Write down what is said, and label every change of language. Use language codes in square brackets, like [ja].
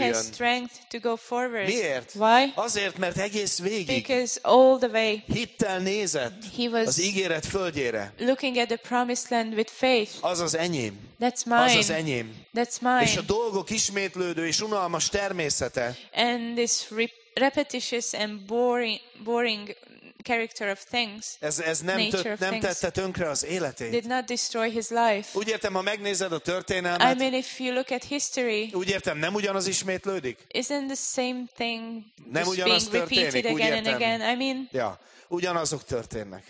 [en] He has strength to go forward. [hu] Miért? [en] Why? [hu] Azért, mert egész végig. [en] Because all the way. [hu] Hittel nézett az ígéret földjére. [en] Looking at the promised land with faith. [hu] Az az enyém. [en] That's mine. [hu] Az az enyém. [en] That's mine. [hu] És a dolgok ismétlődő és unalmas természete. [en] And this repetitious and boring character of things. [hu] Ez nem nem tette tönkre az életét. [en] Did not destroy his life. [hu] Úgy értem, ha megnézed a történelmet. [en] I mean, if you look at history. [hu] Úgy értem, nem ugyanaz ismétlődik. [en] Isn't the same thing [hu] nem ugyanaz [en] being repeated again and again? I mean. [hu] Ja, ugyanazok történnek.